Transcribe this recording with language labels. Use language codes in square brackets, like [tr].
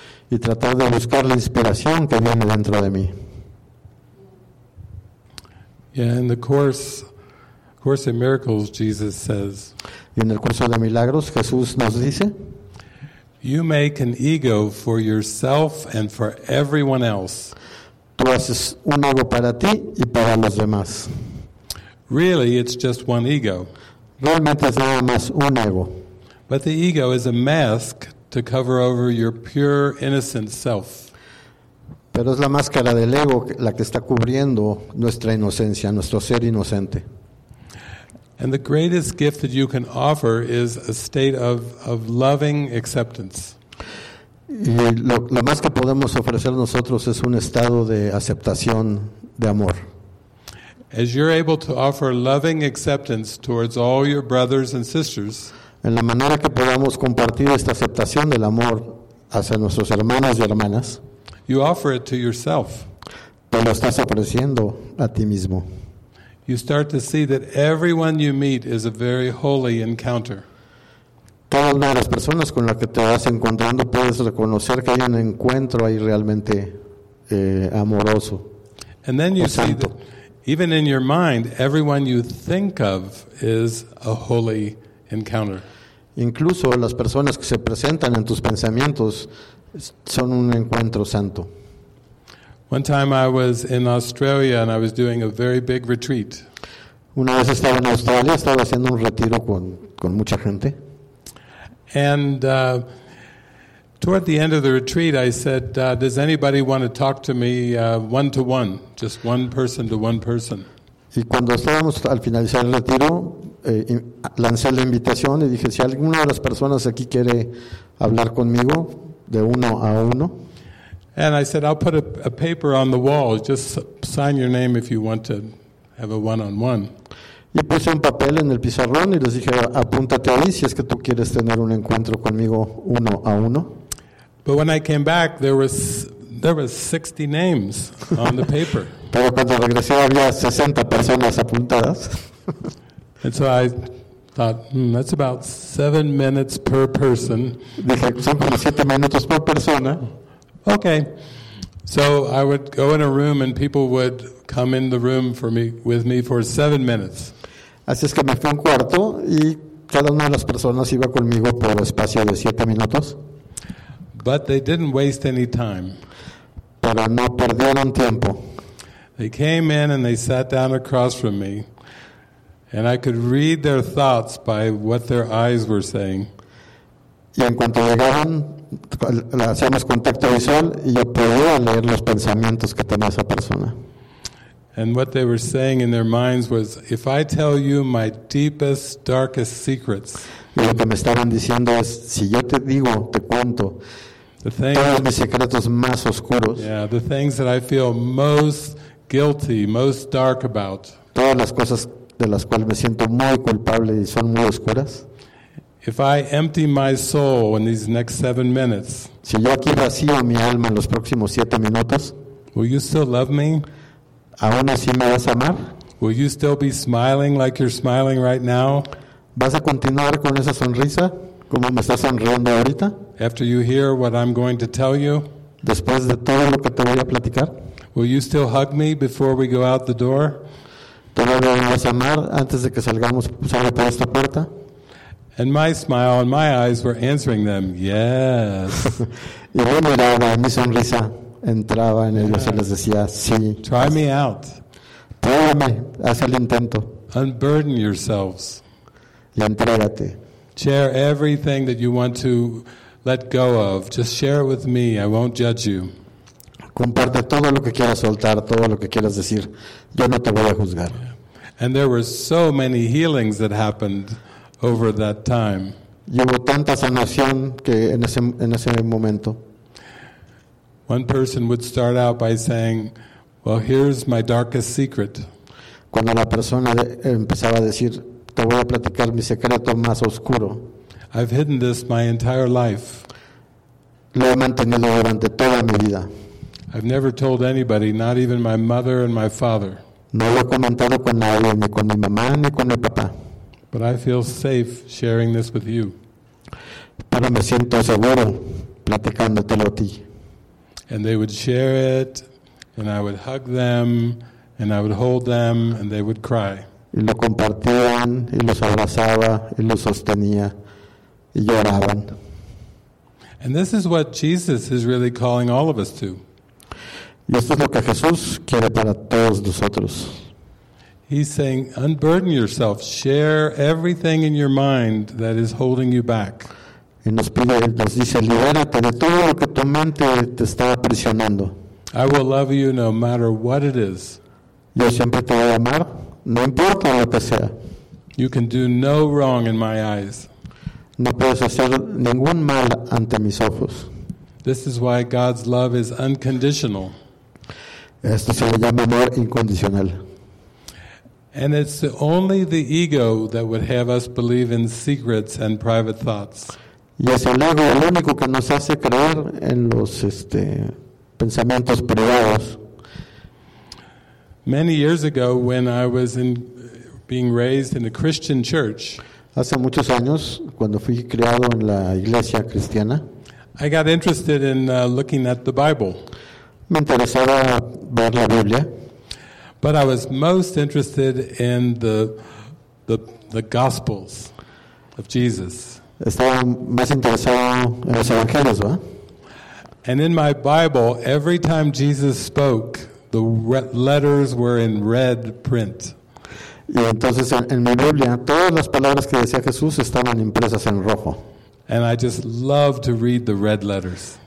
[es] Y tratar de buscar la inspiración que viene dentro de mí. [en] Yeah, in the course in miracles, Jesus says, [es] y en el curso de milagros, Jesús nos dice, [en] you make an ego for yourself and for everyone else. [es] Tú haces un ego para ti y para los demás. [en] Really, it's just one ego. [es] Realmente es nada más un ego. [en] But the ego is a mask to cover over your pure, innocent self. [es] Pero es la máscara del ego la que está cubriendo nuestra inocencia, nuestro ser inocente. [en] And the greatest gift that you can offer is a state of loving acceptance. [es] Y lo más que podemos ofrecer nosotros es un estado de aceptación, de amor. [en] As you're able to offer loving acceptance towards all your brothers and sisters, [es] en la manera que podamos compartir esta aceptación del amor hacia nuestros hermanos y hermanas, [en] you offer it to yourself. [es] Te lo estás ofreciendo a ti mismo. [en] You start to see that everyone you meet is a very holy encounter. [es] Cada una de las personas con la que te vas encontrando puedes reconocer que hay un encuentro ahí realmente amoroso. [en] And then you see that even in your mind, everyone you think of is a holy encounter. [es] Incluso las personas que se presentan en tus pensamientos son un encuentro santo. [en] One time I was in Australia and I was doing a very big retreat. [es] Una vez estaba en Australia, estaba haciendo un retiro con mucha gente. [en] And toward the end of the retreat, I said, does anybody want to talk to me one-to-one, just one person to one person? [es] Y cuando estábamos al finalizar el retiro, lancé la invitación y dije, si alguna de las personas aquí quiere hablar conmigo, de uno a uno. [en] And I said, I'll put a paper on the wall, just sign your name if you want to have a one-on-one. [es] Y puse un papel en el pizarrón y les dije, apúntate ahí si es que tú quieres tener un encuentro conmigo uno a uno. [en] But when I came back, there was 60 names on the paper. [es] Pero cuando regresé había 60 personas apuntadas. [en] And so I thought, that's about 7 minutes per person. [es] Dije, son como 7 minutos por persona. [en] Okay. So I would go in a room and people would come in the room with me for 7 minutes. [es] Así es que me fui a un cuarto y cada una de las personas iba conmigo por espacio de 7 minutos. [en] But they didn't waste any time. [es] Pero no perdieron tiempo. [en] They came in and they sat down across from me. And I could read their thoughts by what their eyes were saying. [es] Y en cuanto llegaban, hacíamos contacto visual y yo podía leer los pensamientos que tenía esa persona. [en] And what they were saying in their minds was, if I tell you my deepest, darkest secrets. [es] Y lo que me estaban diciendo es, si yo te digo, te cuento, todos mis secretos más oscuros. [en] Yeah, the things that I feel most guilty, most dark about. [es] Todas las cosas de las cuales me siento muy culpable y son muy oscuras. [en] If I empty my soul in these next 7 minutes. [es] Si yo aquí vacío mi alma en los próximos 7 minutos. [en] Will you still love me? [es] ¿Aún así me vas a amar? [en] Will you still be smiling like you're smiling right now? [es] ¿Vas a continuar con esa sonrisa como me estás sonriendo ahorita? [en] After you hear what I'm going to tell you. [es] Después de todo lo que te voy a platicar. [en] Will you still hug me before we go out the door? [es] ¿Todavía me vas a amar antes de que salga por esta puerta? [en] And my smile and my eyes were answering them, yes. [es] Y yo miraba, mi sonrisa entraba en ellos y les decía, sí. [en] Try me out. [es] Pruébame, haz el intento. [en] Unburden yourselves. [es] Y entrégate. [en] Share everything that you want to let go of. Just share it with me, I won't judge you. [es] Comparte todo lo que quieras soltar, todo lo que quieras decir. Yo no te voy a juzgar. [en] And there were so many healings that happened over that time. [es] Y hubo tanta sanación que en ese momento. [en] One person would start out by saying, "Well, here's my darkest secret." [es] Cuando la persona empezaba a decir, "Te voy a platicar mi secreto más oscuro." [en] I've hidden this my entire life. [es] Lo he mantenido durante toda mi vida. [en] I've never told anybody, not even my mother and my father. [es] No lo he comentado con nadie, ni con mi mamá ni con mi papá. [en] But I feel safe sharing this with you. [es] Pero me siento seguro platicándotelo a ti. [en] And they would share it, and I would hug them, and I would hold them, and they would cry. [es] Y lo compartían, y los abrazaba, y los sostenía, y lloraban. [en] And this is what Jesus is really calling all of us to. [es] Y esto es lo que Jesús quiere para todos nosotros. [en] He's saying, unburden yourself. Share everything in your mind that is holding you back. [es] Y nos dice, libérate de todo lo que tu mente te está aprisionando. [en] I will love you no matter what it is. [es] Yo siempre te voy a amar, no importa lo que sea. [en] You can do no wrong in my eyes. [es] No puedes hacer ningún mal ante mis ojos. [en] This is why God's love is unconditional. [es] Esto se le llama amor incondicional. [en] And it's only the ego that would have us believe in secrets and private thoughts. [es] Y es el ego el único que nos hace creer en los pensamientos privados. [en] Many years ago, when I was being raised in a Christian church, [es] hace muchos años, cuando fui criado en la iglesia cristiana, [en] I got interested in looking at the Bible. [es] Me interesaba ver la Biblia. [en] But I was most interested in the Gospels of Jesus. [es] Estaba más interesado en los evangelios, ¿verdad? [en] And in my Bible, every time Jesus spoke, the letters were in red print. [es] Y entonces en mi Biblia, todas las palabras que decía Jesús estaban impresas en rojo. [en] And I just loved to read the red letters.